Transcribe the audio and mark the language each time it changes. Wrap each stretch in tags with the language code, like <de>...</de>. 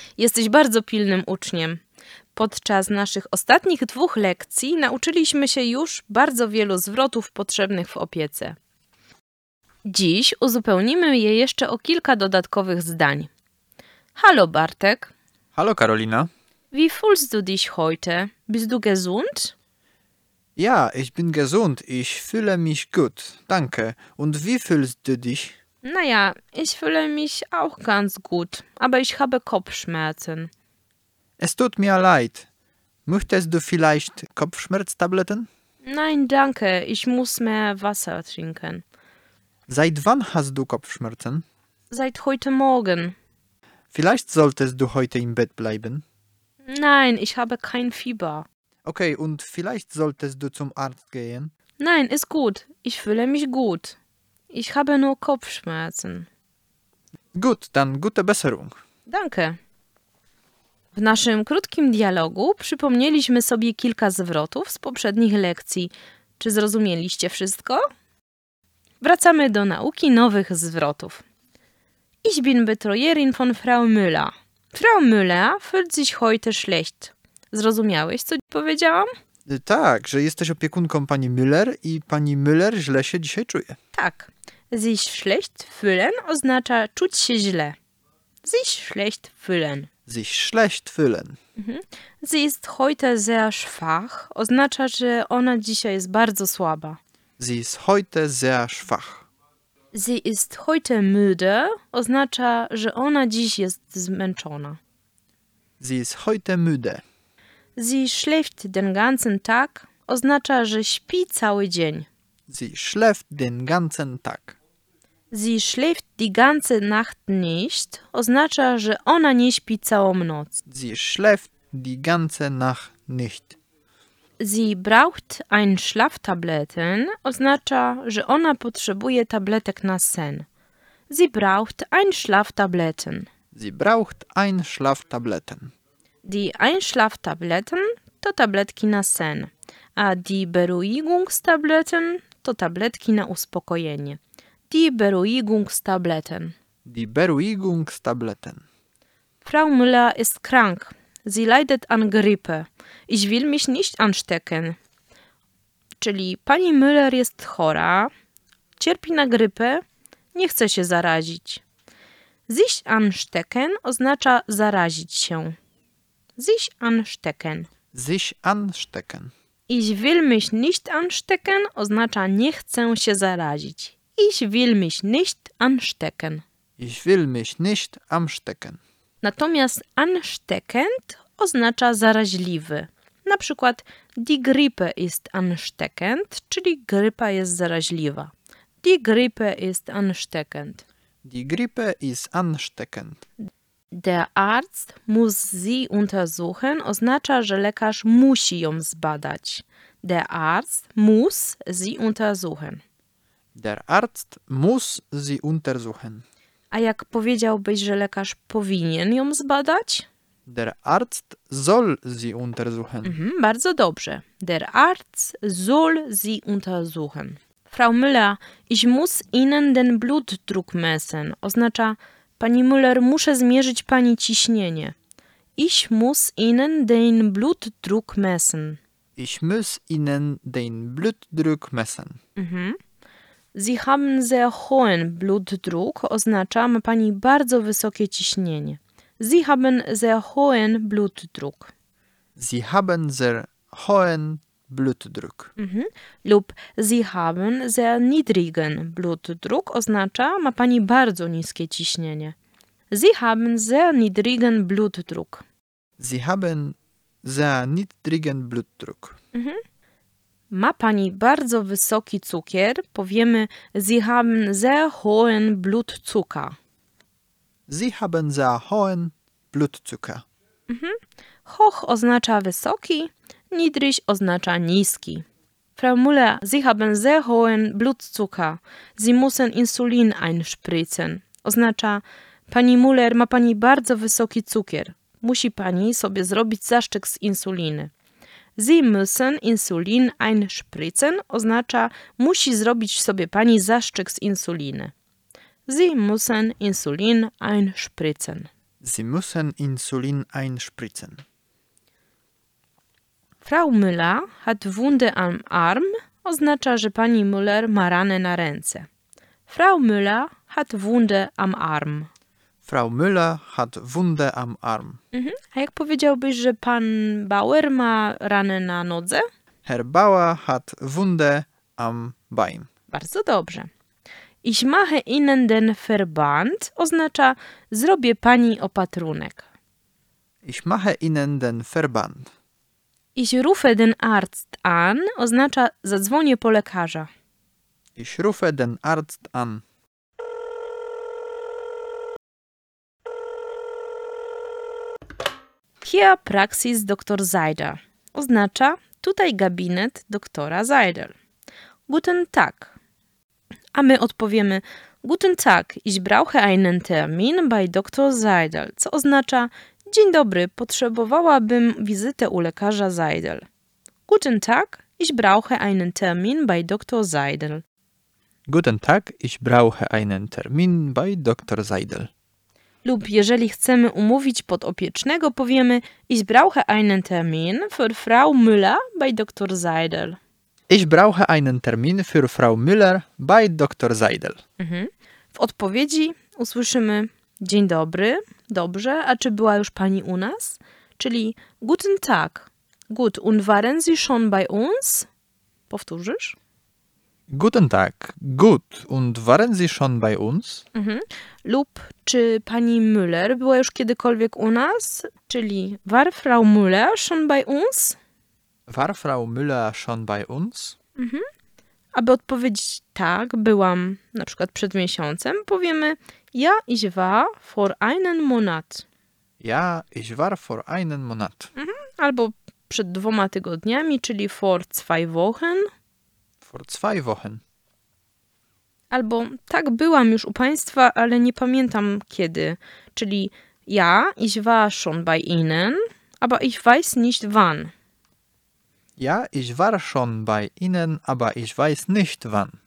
<pl>Jesteś bardzo pilnym uczniem. Podczas naszych ostatnich dwóch lekcji nauczyliśmy się już bardzo wielu zwrotów potrzebnych w opiece. Dziś uzupełnimy je jeszcze o kilka dodatkowych zdań. Halo, Bartek. Halo, Karolina.</pl> <de>Wie fühlst du dich heute? Bist du gesund? Ja, ich bin gesund. Ich fühle mich gut. Danke. Und wie fühlst du dich? Naja, ich fühle mich auch ganz gut. Aber ich habe Kopfschmerzen. Es tut mir leid. Möchtest du vielleicht Kopfschmerztabletten? Nein, danke. Ich muss mehr Wasser trinken. Seit wann hast du Kopfschmerzen? Seit heute Morgen. Vielleicht solltest du heute im Bett bleiben. Nein, ich habe kein Fieber. Okay, und vielleicht solltest du zum Arzt gehen? Nein, ist gut. Ich fühle mich gut. Ich habe nur Kopfschmerzen. Gut, dann gute Besserung. Danke.</de> <pl>W naszym krótkim dialogu przypomnieliśmy sobie kilka zwrotów z poprzednich lekcji. Czy zrozumieliście wszystko? Wracamy do nauki nowych zwrotów.</pl> <de>Ich bin Betreuerin von Frau Müller. Frau Müller fühlt sich heute schlecht.</de> <pl>Zrozumiałeś, co powiedziałam? Tak, że jesteś opiekunką pani Müller i pani Müller źle się dzisiaj czuje. Tak.</pl> <de>Sich schlecht fühlen</de> <pl>oznacza czuć się źle.</pl> <de>Sich schlecht fühlen. Sich schlecht fühlen. Sie ist heute sehr schwach</de> <pl>oznacza, że ona dzisiaj jest bardzo słaba.</pl> <de>Sie ist heute sehr schwach. Sie ist heute müde</de> <pl>oznacza, że ona dziś jest zmęczona.</pl> <de>Sie ist heute müde. Sie schläft den ganzen Tag</de> <pl>oznacza, że śpi cały dzień.</pl> <de>Sie schläft den ganzen Tag. Sie schläft die ganze Nacht nicht</de> <pl>oznacza, że ona nie śpi całą noc.</pl> <de>Sie schläft die ganze Nacht nicht. Sie braucht ein Schlaftabletten</de> <pl>oznacza, że ona potrzebuje tabletek na sen.</pl> <de>Sie braucht ein Schlaftabletten. Sie braucht ein Schlaftabletten. Die Einschlaftabletten</de> <pl>to tabletki na sen, a</pl> <de>die Beruhigungstabletten</de> <pl>to tabletki na uspokojenie.</pl> <de>Die Beruhigungstabletten. Die Beruhigungstabletten. Frau Müller ist krank. Sie leidet an Grippe. Ich will mich nicht anstecken.</de> <pl>Czyli pani Müller jest chora, cierpi na grypę, nie chce się zarazić. Sich anstecken oznacza zarazić się.</pl> <de>Sich anstecken. Sich anstecken. Ich will mich nicht anstecken</de> <pl>oznacza nie chcę się zarazić.</pl> <de>Ich will mich nicht anstecken. Ich will mich nicht anstecken.</de> <pl>Natomiast ansteckend oznacza zaraźliwy. Na przykład</pl> <de>die Grippe ist ansteckend,</de> <pl>czyli grypa jest zaraźliwa.</pl> <de>Die Grippe ist ansteckend. Die Grippe ist ansteckend. Der Arzt muss sie untersuchen</de> <pl>oznacza, że lekarz musi ją zbadać.</pl> <de>Der Arzt muss sie untersuchen. Der Arzt muss sie untersuchen.</de> <pl>A jak powiedziałbyś, że lekarz powinien ją zbadać?</pl> <de>Der Arzt soll sie untersuchen.</de> <pl>Mhm, bardzo dobrze.</pl> <de>Der Arzt soll sie untersuchen. Frau Müller, ich muss Ihnen den Blutdruck messen.</de> <pl>Oznacza, pani Müller, muszę zmierzyć pani ciśnienie.</pl> <de>Ich muss Ihnen den Blutdruck messen. Ich muss Ihnen den Blutdruck messen. Mhm. Sie haben sehr hohen Blutdruck.</de> <pl>Oznacza, ma pani bardzo wysokie ciśnienie.</pl> <de>Sie haben sehr hohen Blutdruck. Sie haben sehr hohen Blutdruck. Mhm.</de> <pl>Lub</pl> <de>Sie haben sehr niedrigen Blutdruck.</de> <pl>Oznacza, ma pani bardzo niskie ciśnienie.</pl> <de>Sie haben sehr niedrigen Blutdruck. Sie haben sehr niedrigen Blutdruck. Mhm.</de> <pl>Ma pani bardzo wysoki cukier. Powiemy</pl> <de>Sie haben sehr hohen Blutzucker. Sie haben sehr hohen Blutzucker. Mhm. Hoch</de> <pl>oznacza wysoki,</pl> <de>niedrig</de> <pl>oznacza niski.</pl> <de>Frau Müller, Sie haben sehr hohen Blutzucker. Sie müssen Insulin einspritzen.</de> <pl>Oznacza, pani Müller, ma pani bardzo wysoki cukier. Musi pani sobie zrobić zaszczyk z insuliny.</pl> <de>Sie müssen Insulin einspritzen</de> <pl>oznacza, musi zrobić sobie pani zaszczyk z insuliny.</pl> <de>Sie müssen Insulin einspritzen. Sie müssen Insulin einspritzen. Frau Müller hat Wunde am Arm</de> <pl>oznacza, że pani Müller ma ranę na ręce.</pl> <de>Frau Müller hat Wunde am Arm. Frau Müller hat Wunde am Arm. Mhm.</de> <pl>A jak powiedziałbyś, że pan Bauer ma ranę na nodze?</pl> <de>Herr Bauer hat Wunde am Bein.</de> <pl>Bardzo dobrze. Ich mache Ihnen den Verband oznacza, zrobię pani opatrunek.</pl> <de>Ich mache Ihnen den Verband. Ich rufe den Arzt an</de> <pl>oznacza, zadzwonię po lekarza.</pl> <de>Ich rufe den Arzt an. Hier Praxis Dr. Seidel</de> <pl>oznacza, tutaj gabinet doktora Seidel.</pl> <de>Guten Tag.</de> <pl>A my odpowiemy,</pl> <de>Guten Tag, ich brauche einen Termin bei Dr.</de> <pl>Seidel, co oznacza, dzień dobry, potrzebowałabym wizytę u lekarza Seidel.</pl> <de>Guten Tag, ich brauche einen Termin bei Dr. Seidel. Guten Tag, ich brauche einen Termin bei Dr. Seidel.</de> <pl>Lub jeżeli chcemy umówić podopiecznego, powiemy</pl> <de>Ich brauche einen Termin für Frau Müller bei Dr. Seidel. Ich brauche einen Termin für Frau Müller bei Dr. Seidel. Mhm.</de> <pl>W odpowiedzi usłyszymy Dzień dobry, dobrze, a czy była już pani u nas? Czyli</pl> <de>Guten Tag, gut, und waren Sie schon bei uns?</de> <pl>Powtórzysz?</pl> <de>Guten Tag, gut, und waren Sie schon bei uns? Mhm.</de> <pl>Lub czy pani Müller była już kiedykolwiek u nas? Czyli</pl> <de>war Frau Müller schon bei uns? War Frau Müller schon bei uns? Mhm.</de> <pl>Aby odpowiedzieć tak, byłam na przykład przed miesiącem, powiemy</pl> <de>Ja ich war vor einen Monat. Ja ich war vor einen Monat. Mhm.</de> <pl>Albo przed dwoma tygodniami, czyli</pl> <de>vor zwei Wochen. Zwei Wochen.</de> <pl>Albo tak byłam już u państwa, ale nie pamiętam kiedy. Czyli</pl> <de>ja, ich war schon bei Ihnen, aber ich weiß nicht wann. Ja, ich war schon bei Ihnen, aber ich weiß nicht wann.</de>